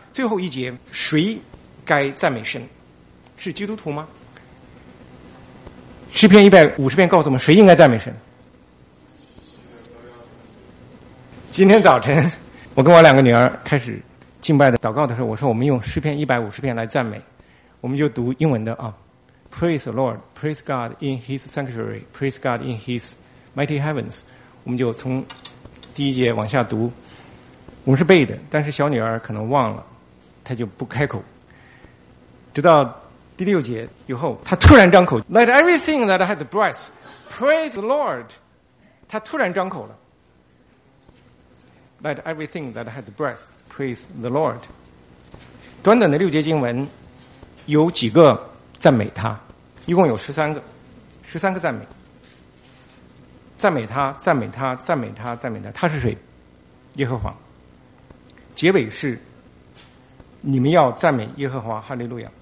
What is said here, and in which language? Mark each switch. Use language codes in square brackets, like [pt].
[zh] 最后一节，谁该赞美神？是基督徒吗？诗篇150篇告诉我们谁应该赞美神。今天早晨我跟我两个女儿开始敬拜的祷告的时候，我说我们用诗篇150篇来赞美，我们就读英文的啊。 [en] Praise the Lord, praise God in His sanctuary, praise God in His mighty heavens. [zh] 我们就从第一节往下读，我们是背的，但是小女儿可能忘了，她就不开口。直到第六节以后，她突然张口 [en] ,Let everything that has breath, praise the Lord. [zh] 她突然张口了。 [en] Let everything that has breath praise the Lord. [zh] 短短的六节经文有几个赞美他，一共有13个赞美。赞美他，赞美他，赞美他，赞美他。他是谁？耶和华。结尾是你们要赞美耶和华，哈利路亚。